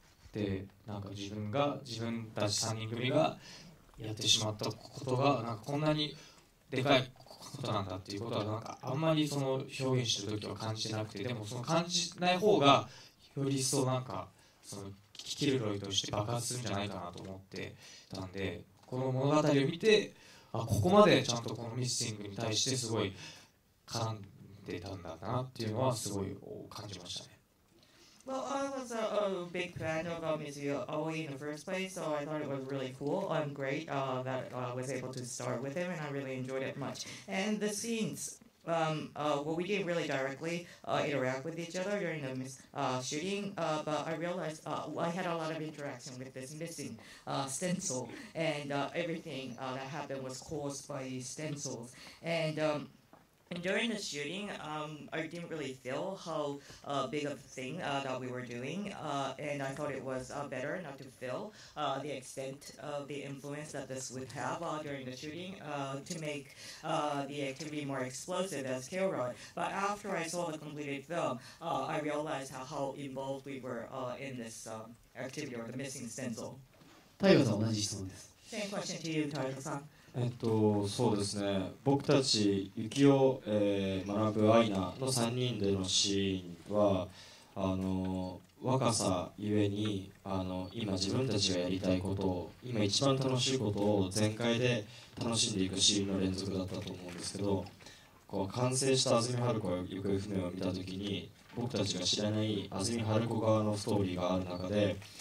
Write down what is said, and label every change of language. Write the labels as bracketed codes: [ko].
[ja] てなんか自分たち3人組がやってしまったことが、なんかこんなにでかいことなんだっていうことは、なんかあんまりその表現してるときは感じてなくて、でもその感じない方がより一層なんかその聞けるロイとして爆発するんじゃないかなと思ってたんで、この物語を見て、あここまでちゃんとこのミッシングに対してすごい絡んでたんだなっていうのはすごい感じましたね。 [en] Well, I was a big fan of Mizuya Aoi in the first place, so I thought it was really cool. I'm great that I was able to start with him, and I really enjoyed it much. And the scenes, well, we didn't really directly interact with each other during the shooting, but I realized I had a lot of interaction with this missing stencil, and everything that happened was caused by these stencils. And during the shooting, I didn't really feel how big of a thing that we were doing, and I thought it was better not to feel the extent of the influence that this would have during the shooting to make the activity more explosive as Kilroy. But after I saw the completed film, I realized how involved we were in this activity or the missing stencil. Same question to you, Taiyo-san. [ja] そうですね、僕たち幸男、学ぶアイナの3人でのシーンは若さゆえに今自分たちがやりたいことを、今一番楽しいことを全開で楽しんでいくシーンの連続だったと思うんですけど、こう完成した安住春子が行方不明を見た時に、僕たちが知らない安住春子側のストーリーがある中で、